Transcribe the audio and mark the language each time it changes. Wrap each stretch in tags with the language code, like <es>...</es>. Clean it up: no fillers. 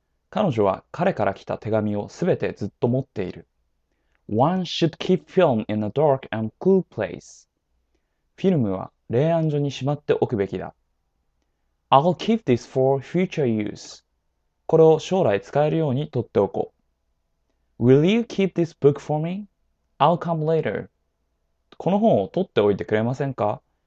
<ja>彼女は彼から来た手紙をすべてずっと持っている。</ja> <en>One should keep film in a dark and cool place.</en> <ja>フィルムは冷暗所にしまっておくべきだ。</ja> <en>I'll keep this for future use.</en> <ja>これを将来使えるように取っておこう。</ja> <en>Will you keep this book for me? I'll come later.</en> <ja>この本を取っておいてくれませんか？</ja>